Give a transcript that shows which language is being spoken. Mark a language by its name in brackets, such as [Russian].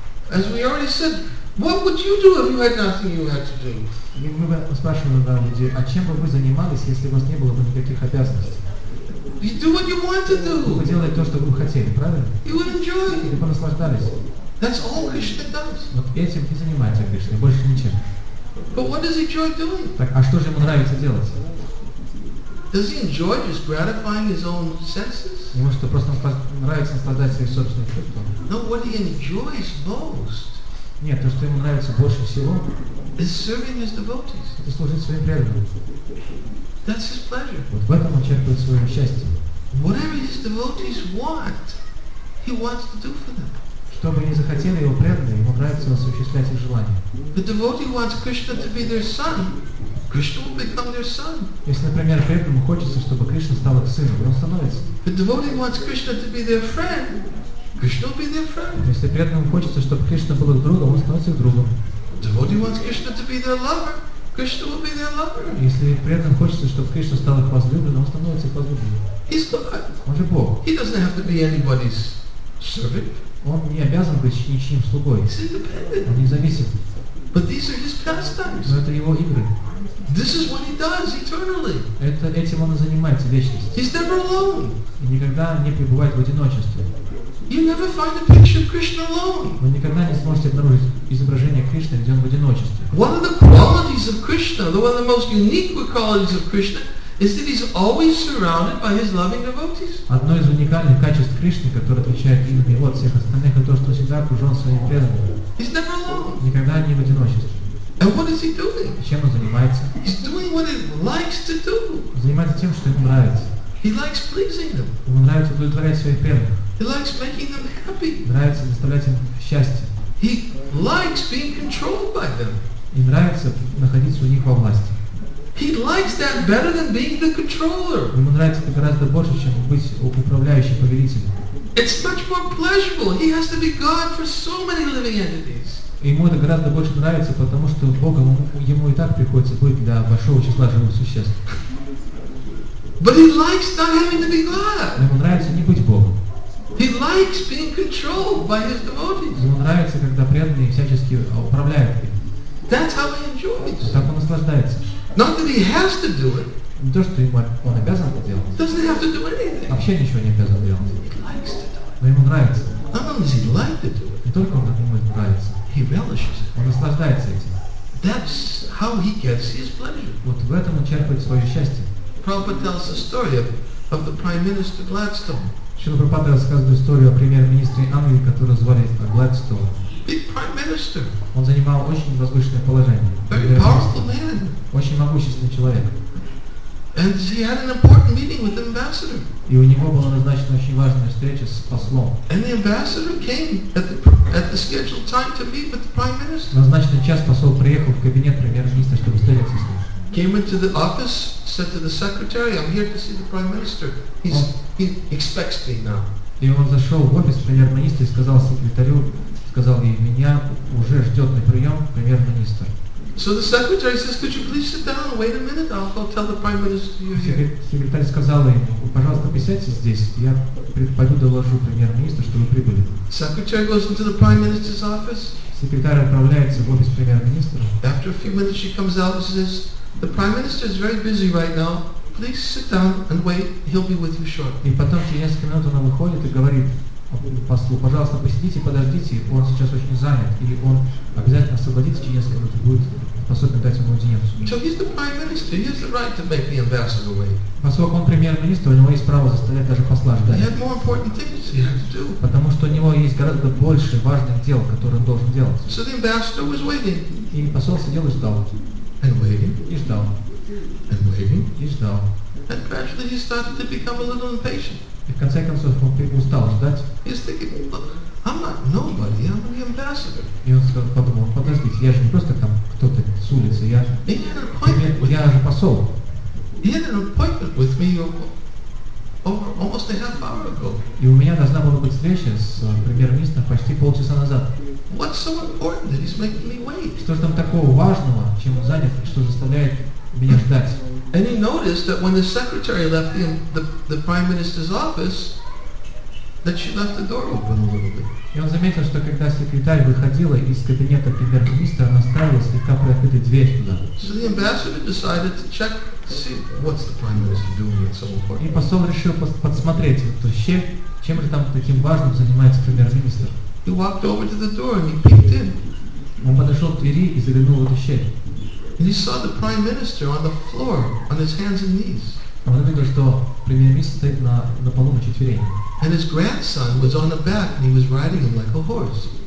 [English] As we already said, what would you do if you had nothing you had to do? [Russian] Мы спрашиваем людей, а чем бы вы занимались, если у вас не было бы никаких обязанностей? [English] You do what you want to do. [Russian] Вы делаете то, что вы хотели, правильно? [English] You would enjoy. [Russian] Вы бы наслаждались. [English] That's all Krishna does. [Russian] Вот этим и занимается Кришна, больше ничем. [English] But what does he enjoy doing? [Russian] Так, а что же ему нравится делать? [English] Does he enjoy just gratifying his own senses? [Russian] Ему что, просто нравится наслаждать своих собственных чувствами? [English] No, what he enjoys most. [Russian] Нет, то, что ему нравится больше всего, [English] is serving his devotees. [Russian] Это служить своим преданным. [English] That's his pleasure. [Russian] Вот в этом он черпает свое счастье. [English] Whatever his devotees want, he wants to do for them. [Russian] Что бы они захотели, его преданные, ему нравится осуществлять их желания. [English] The devotee wants Krishna to be their son. Krishna will become their son. [Russian] Если, например, преданному хочется, чтобы Кришна стал их сыном, он становится. [English] The devotee wants Krishna to be their friend. Krishna will be their friend. [Russian] Если преданному хочется, чтобы Кришна был их другом, он становится их другом. [English] Devotee wants Krishna to be their lover. Krishna will be their lover. [Russian] Если преданному хочется, чтобы Кришна стал их возлюбленным, он становится их возлюбленным. [English] He's God. [Russian] Он же Бог. [English] He doesn't have to be anybody's servant. [Russian] Он не обязан быть ничьим слугой. [English] He's independent. [Russian] Он независим. [English] But these are his pastimes. [Russian] Но это его игры. [English] This is what he does eternally. [Russian] Это этим он и занимается вечность. [English] He's never alone. [Russian] И никогда не пребывает в одиночестве. [English] You never find a picture of Krishna alone. [Russian] Вы никогда не сможете обнаружить изображение Кришны, где он в одиночестве. [English] One of the qualities of Krishna, one of the most unique qualities of Krishna, is that he's always surrounded by his loving devotees. [Russian] Одно из уникальных качеств Кришны, которое отличает именно его от всех остальных, это то, что он всегда окружен своими преданными. [English] He's never alone. [Russian] Никогда не в одиночестве. [English] And what is he doing? [Russian] Чем он занимается? [English] He's doing what he likes to do. [Russian] Занимается тем, что ему нравится. [English] He likes pleasing them. [Russian] Ему нравится удовлетворять своих преданных. [English] He likes making them happy. [Russian] Нравится доставлять им счастье. [English] He likes being controlled by them. [Russian] И нравится находиться у них во власти. [English] He likes that better than being the controller. [Russian] Ему нравится это гораздо больше, чем быть управляющим, повелителем. [English] It's much more pleasurable. He has to be God for so many living entities. [Russian] Ему это гораздо больше нравится, потому что Бога ему и так приходится быть для большого числа живых существ. [English] But he likes not having to be God. [Russian] Ему нравится не быть Богом. [English] He likes being controlled by his devotees. [Russian] Ему нравится, когда преданные всячески управляют им. [English] That's how he enjoys. [Russian] Так он наслаждается. [English] Not that he has to do it. [Russian] Не то, что он обязан это делать. [English] Doesn't have to do anything. [Russian] Вообще ничего не обязан делать. [English] He likes to do it. [Russian] Но ему нравится. [English] Not only does he like to do it. [Russian] Не только ему это нравится. [English] He relishes it. [Russian] Он наслаждается этим. [English] That's how he gets his pleasure. [Russian] Вот в этом он черпает свое счастье. [English] Prabhupada tells the story of the Prime Minister Gladstone. [Russian] Шрила Прабхупада рассказывает историю о премьер-министре Англии, которого звали Гладстоун. [English] Big Prime Minister. [Russian] Он занимал очень возвышенное положение. [English] Very powerful man. [Russian] Очень могущественный человек. [English] And he had an important meeting with the ambassador. [Russian] И у него была назначена очень важная встреча с послом. [English] And the ambassador came at the scheduled time to meet with the Prime Minister. [Russian] Назначенный час посол приехал в кабинет премьер-министра, чтобы встретиться с ним. [English] Came into the office, said to the secretary, "I'm here to see the Prime Minister. He expects me now." [Russian] И он зашел в офис премьер-министра и сказал секретарю, сказал ей, меня уже ждет на прием премьер-министр. [English] So the secretary says, "Could you please sit down and wait a minute? I'll tell the Prime Minister you're here." [Russian] Секретарь сказал ему, пожалуйста, присядьте здесь, я пойду доложу премьер-министру, что вы прибыли. [English] Secretary goes into the Prime Minister's office. [Russian] Секретарь отправляется в офис премьер-министра. [English] After a few minutes, she comes out and says, "The Prime Minister is very busy right now. please sit down and wait, he'll be with you shortly. [Russian] И потом через несколько минут она выходит и говорит послу, пожалуйста, посидите, подождите, он сейчас очень занят, или он обязательно освободится через несколько минут и будет способен дать ему аудиенцию. [English] So he's the prime minister, he has the right to make the ambassador wait. [Russian] Поскольку он премьер-министр, у него есть право заставлять даже посла ждать. [English] He had more important things he had to do. [Russian] Потому что у него есть гораздо больше важных дел, которые он должен делать. [English] So the ambassador was waiting. [Russian] И посол сидел и ждал. [English] And waiting. [Russian] И ждал. [English] And waiting. [Russian] И ждал. [English] And gradually he started to become a little impatient. [Russian] И в конце концов он устал ждать. [English] He's thinking, look, I'm not nobody, I'm the ambassador. [Russian] И он сказал, подумал, подождите, я же не просто там кто-то с улицы, я же посол. [English] He had an appointment with me over almost a half hour ago. [Russian] И у меня должна была быть встреча с премьер-министром почти полчаса назад. [English] What's so important that he's making me wait? [Russian] Что же там такого важного, чем он занят, что заставляет меня ждать? [English] And he noticed that when the secretary left the prime minister's office, that she left the door open a little bit. [Russian] И он заметил, что когда секретарь выходила из кабинета премьер-министра, она ставила слегка приоткрытую дверь туда. [English] So the ambassador decided to check, see what's the prime minister doing at so important. [Russian] И посол решил подсмотреть вот эту щель, чем же там таким важным занимается премьер-министр. [English] He walked over to the door and he peeked in. [Russian] Он подошел к двери и заглянул в эту щель. [English] And he saw the prime minister on the floor, on his hands and knees. [Russian] Он увидел, что премьер-министр стоит на полу на четвереньках. [English] And his grandson was on the back, and he was riding him like a horse.